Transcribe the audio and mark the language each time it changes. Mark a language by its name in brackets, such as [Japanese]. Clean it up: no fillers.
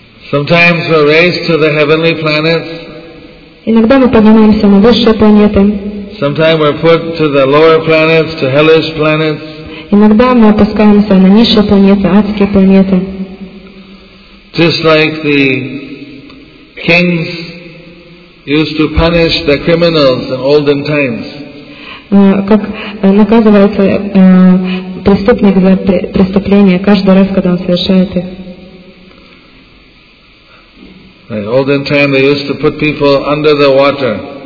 [English] Sometimes we're raised to the heavenly planets. [Russian] Иногда мы поднимаемся на высшие планеты. [English] Sometimes we're put to the lower planets, to hellish planets. [Russian] Иногда мы опускаемся на низшие планеты, адские планеты. [English] Just like the kings used to punish the criminals in olden times. [Russian] Как наказывается преступник за преступление каждый раз, когда он совершает их. [English] In olden time, they used to put people under the water.